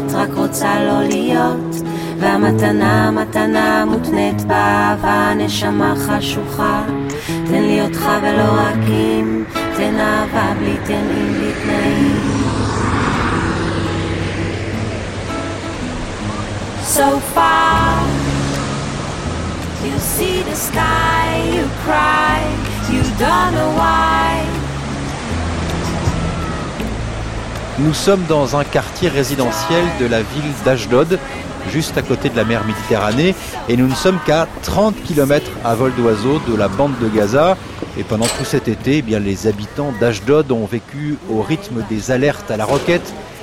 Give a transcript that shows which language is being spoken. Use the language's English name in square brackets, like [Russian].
[Hebrew] והמתנה, מתנה, מותנית באהבה, נשמה חשוכה. תן לי אותך ולא רק אם, תן אהבה בלי תנאים, בלי תנאים. [English] So far, you see the sky, you cry, you don't know why. [French] Nous sommes dans un quartier résidentiel de la ville d'Ashdod, juste à côté de la mer Méditerranée, et nous ne sommes qu'à 30 km à vol d'oiseau de la bande de Gaza. Et pendant tout cet été, eh bien, les habitants d'Ashdod ont vécu au rythme des alertes à la roquette.